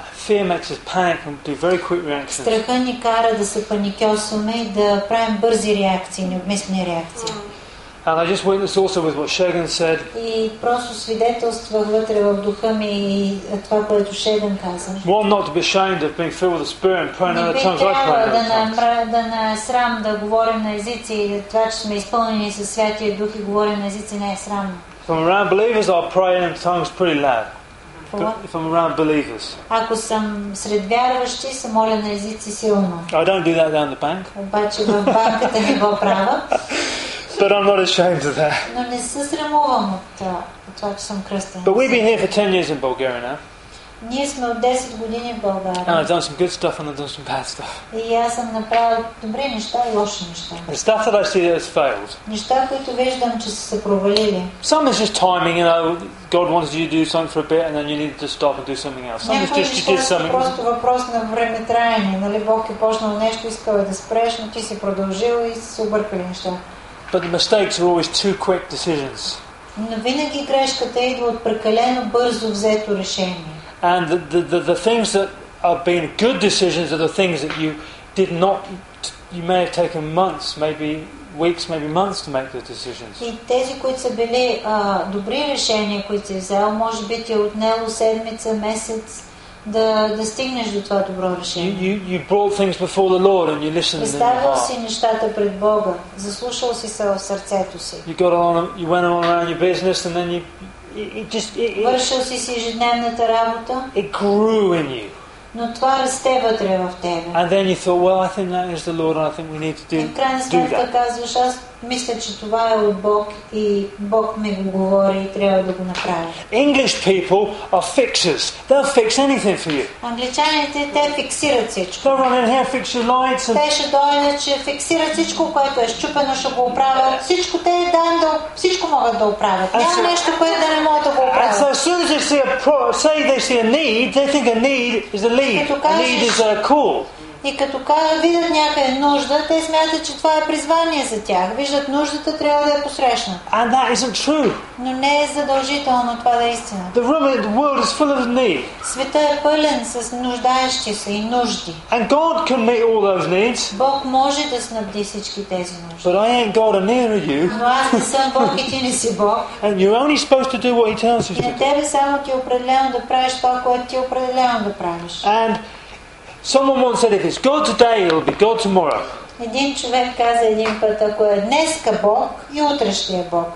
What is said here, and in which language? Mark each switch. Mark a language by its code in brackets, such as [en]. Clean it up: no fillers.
[en] Fear makes us panic and do very quick reactions. [bg] Страхът ни кара да се паникьосваме и да правим бързи реакции, необмислени реакции. [en] And I just witnessed also with what Shegan said. [bg] И просто свидетелствах вътре в духа ми това, което Шеган каза. [en] One not to be ashamed of being filled with the Spirit and praying in other tongues. [bg] Не трябва да на срам да говорим на езици и това, че сме изпълнени със Святия Дух и говорим на езици, не е срамно. [en] If I'm around believers, I'll pray in tongues pretty loud. If I'm around believers. [bg] Ако съм сред вярващи, се моля на езици силно. [en] I don't do that down the bank. [bg] Обаче в банката не го правя. [en] But I'm not ashamed of that. [bg] Но не се срамувам от това, че съм кръстен. [en] But we've been here for 10 years in Bulgaria now. [bg] Ние сме от 10 години в България. [en] And I've done some good stuff and I've done some bad stuff. [bg] И аз съм направил добри неща и лоши неща. [en] The stuff that I see that has failed. [bg] Неща, които виждам, че са се провалили. [en] Some is just timing, you know. God wants you to do something for a bit and then you need to stop and do something else. Some is just you did something. [bg] Просто въпрос на време траяне, нали? Бог е почнал нещо, искал да спреш, но ти си продължил и си се объркали неща. [en] But the mistakes are always too quick decisions. [bg] Но винаги грешката идва от прекалено бързо взето решение. [en] And the things that have been good decisions are the things that you did not, you may have taken months, maybe weeks, maybe months to make the decisions. [bg] И тези, които са били добри решения, които си взел, може би ти е отнело седмица, месец да стигнеш до това добро решение. [en] You brought things before the Lord and you listened in your heart. [bg] Представил си нещата пред Бога, заслушал си се в сърцето си. [en] You got on, you went on around your business and then [bg] вършил си си ежедневната работа. [en] It grew in you. [bg] Но това расте вътре в тебе. [en] And then you thought, well, I think that is the Lord, and I think we need to do that. [bg] В крайна сметка казваш, аз мисля, че това е от Бог и Бог ми го говори и трябва да го направя. [en] English people are fixers. They'll fix anything for you. [bg] Англичаните те фиксират всичко. [en] They'll run in here, fix your lights. [bg] Те ще дойдат, че фиксират всичко, което е счупено, ще го оправят. Всичко те е дан, всичко могат да оправят. Няма нещо, което да не могат да го оправят. [en] So as soon as they see a need, they think a need is a lead. A need is a call. [bg] И като видят някаква нужда, те смятат, че това е призвание за тях. Виждат нуждата, трябва да я посрещнат. [en] And that isn't true. [bg] Но не е задължително това да е истина. [en] The room, the world is full of need. [bg] Светът е пълен с нуждаещи се и нужди. [en] And God can meet all those needs. [bg] Бог може да снабди всички тези нужди. [en] But I ain't God and neither are you. [bg] Но аз не съм Бог и ти не си Бог. [en] And you're only supposed to do what He tells you to do. [bg] И на тебе само ти е определено да правиш това, което ти е определено да правиш. [en] And someone once said, if it's God today, it'll be God tomorrow. [bg] Един човек каза един път, ако е днеска Бог, и утре ще е Бог.